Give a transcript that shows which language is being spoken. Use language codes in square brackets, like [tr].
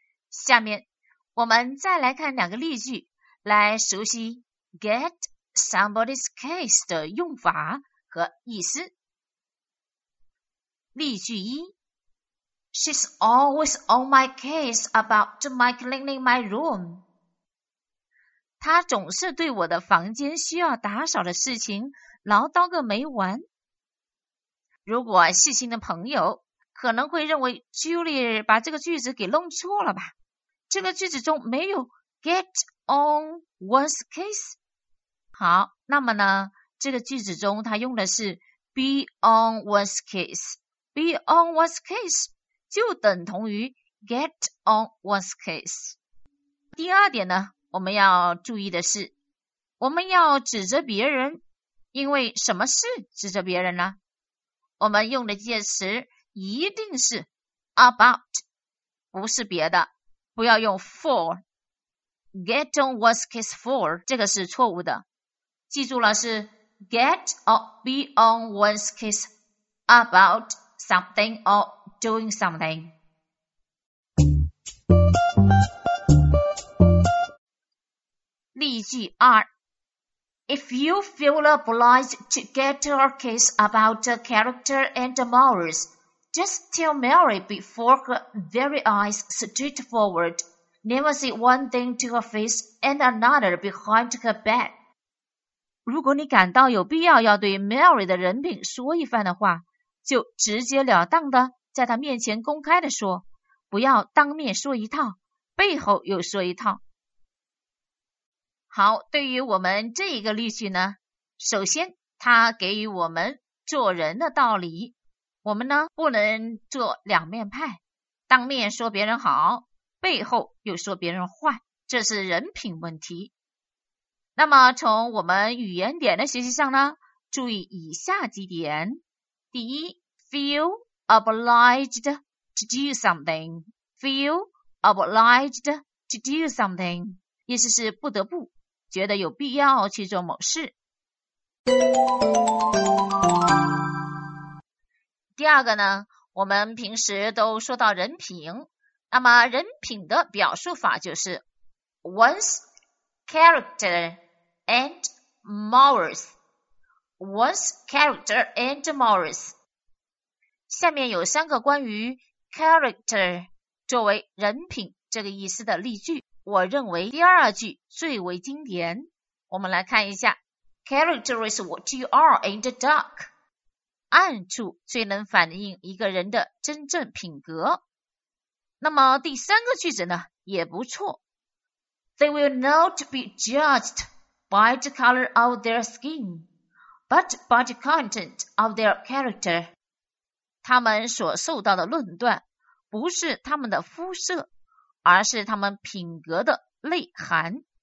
[zh] 下面我们再来看两个例句，来熟悉 [en] get somebody's case [zh] 的用法和意思。例句一， [en] She's always on my case about my cleaning my room. [zh] 她总是对我的房间需要打扫的事情唠叨个没完。如果细心的朋友可能会认为 Julie 把这个句子给弄错了吧。这个句子中没有 [en] get on one's case。 [zh] 好，那么呢，这个句子中它用的是 [en] be on one's case。 be on one's case [zh] 就等同于 [en] get on one's case。 [zh] 第二点呢，我们要注意的是，我们要指责别人，因为什么事指责别人呢？我们用的介词一定是 about， 不是别的，不要用 for。 [en] get on one's case for [zh] 这个是错误的，记住了，是 [en] get or be on one's case about something or doing something。 [zh] 例句二， [en] If you feel obliged to get your case about the character and the morals,Just tell Mary before her very eyes straightforward. Never say one thing to her face and another behind her back. [zh] 如果你感到有必要要对 Mary 的人品说一番的话，就直截了当的在她面前公开的说，不要当面说一套，背后又说一套。好，对于我们这一个例句呢，首先它给予我们做人的道理。我们呢不能做两面派，当面说别人好，背后又说别人坏，这是人品问题。那么从我们语言点的学习上呢，注意以下几点。第一， [en] feel obliged to do something， [zh] feel obliged to do something， 意思是不得不，觉得有必要去做某事。第二个呢，我们平时都说到人品，那么人品的表述法就是 [en] one's character and morals， [zh] one's character and morals。下面有三个关于 character 作为人品这个意思的例句，我认为第二句最为经典，我们来看一下。 [en] Character is what you are in the dark， [zh] 暗处最能反映一个人的真正品格。 [en] 那么第三个句子呢也不错， They will not be judged by the color of their skin but by the content of their character， [zh] 他们所受到的论断不是他们的肤色，而是他们品格的内涵。